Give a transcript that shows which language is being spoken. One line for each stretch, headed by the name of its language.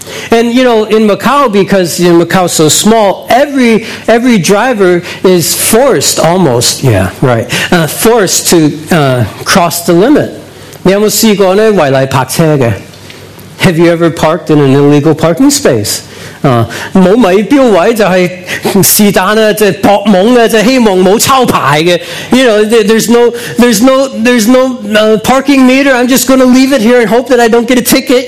English: And you know, in Macau, because you know, Macau is so small, every driver is forced almost, forced to cross the limit.
Cantonese: 你有没有试过呢？违例泊车嘅？
English: Have you ever parked in an illegal parking space?
Cantonese: 没米标位就是试探，就是博懵的，就是希望没抄牌的。
English: You know, there's no parking meter. I'm just going to leave it here and hope that I don't get a ticket.